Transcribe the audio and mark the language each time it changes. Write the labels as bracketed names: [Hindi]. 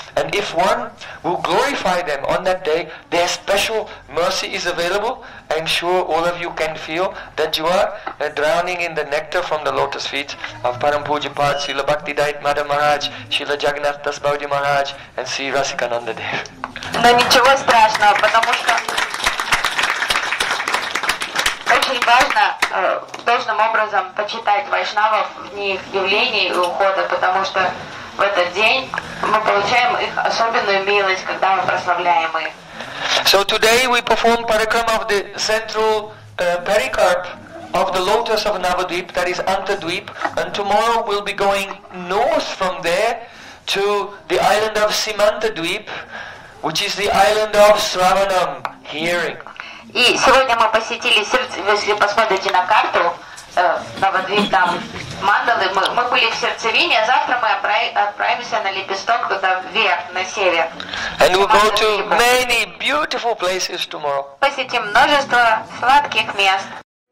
[English] And if one will glorify them on that day, their special mercy is available. I'm sure all of you can feel that you are drowning in the nectar from the lotus feet of Param Pujapad, Srila Bhakti Dait Madha Maharaj, Srila Jagannath Das Bhavji Maharaj, and Sri Rasikananda Dev. [Russian] No, ничего страшного, потому что очень важно должным образом почитать вайшнавов в дни их явления и ухода, потому что в этот день мы получаем их особенную милость, когда мы прославляем их. [English] So today we perform parikrama of the central pericarp of the lotus of Navadvip, that is Antardweep, and tomorrow we'll be going north from there to the island of Simantadweep, which is the island of Sravanam, hearing. [Russian] И сегодня мы посетили сердце, если посмотрите на карту Навадвип, там мандалы, мы были в сердцевине, а завтра мы отправимся на лепесток туда вверх, на север. [English] And we'll go to many beautiful places tomorrow. [Russian] Посетим множество сладких мест.